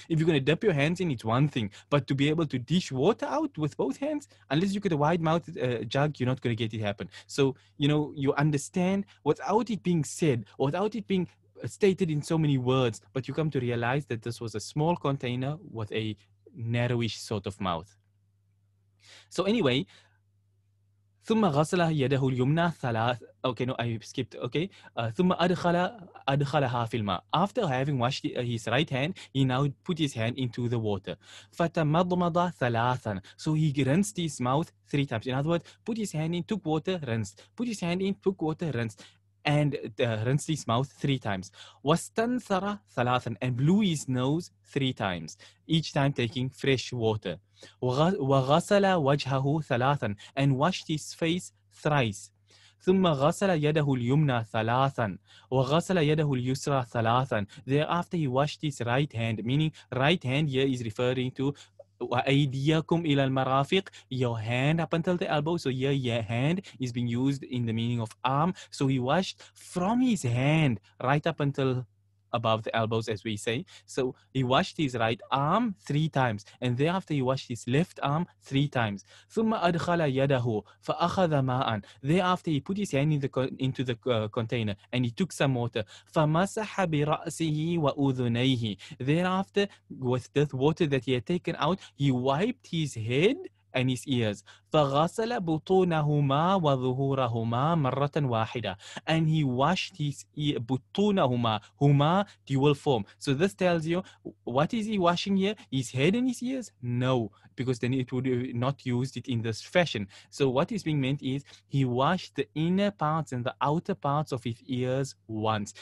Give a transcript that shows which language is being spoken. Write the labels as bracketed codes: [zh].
[en] If you're gonna dip your hands in, it's one thing, but to be able to dish water out with both hands, unless you get a wide mouth jug, you're not gonna get it happen. So, you know, you understand without it being said, without it being stated in so many words, but you come to realize that this was a small container with a narrowish sort of mouth. So anyway, [ar] ثم غسل يده اليمنى ثلاث. [en] Okay, no, I skipped. Okay. [ar] ثم أدخلها في الماء. [en] After having washed his right hand, he now put his hand into the water. [ar] فتمضمض ثلاثا. [en] So he rinsed his mouth three times. In other words, put his hand in, took water, rinsed. Put his hand in, took water, rinsed. And rinsed his mouth three times. [ar] واستنثر ثلاثا. [en] And blew his nose three times, each time taking fresh water. [ar] وغسل وجهه ثلاثا, [en] and washed his face thrice. [ar] ثم غسل يده اليمنى ثلاثا وغسل يده اليسرى ثلاثا. [en] Thereafter he washed his right hand, meaning right hand here is referring to [ar] وَأَيْدِيَكُمْ إِلَى الْمَرَافِقِ, [en] your hand up until the elbow. So here your hand is being used in the meaning of arm. So he washed from his hand right up until above the elbows, as we say. So he washed his right arm three times, and thereafter he washed his left arm three times. [ar] ثم أدخل يده فأخذ ماء. [en] Thereafter he put his hand into the container and he took some water. [ar] فمسح برأسه وأذنيه. [en] Thereafter, with the water that he had taken out, he wiped his head and his ears. [ar] فغسل بطونهما وظهورهما مرة واحدة. [en] And he washed his ear, بطونهما, هما, dual form. So this tells you, what is he washing here? His head and his ears? No, because then it would not used it in this fashion. So what is being meant is, he washed the inner parts and the outer parts of his ears once.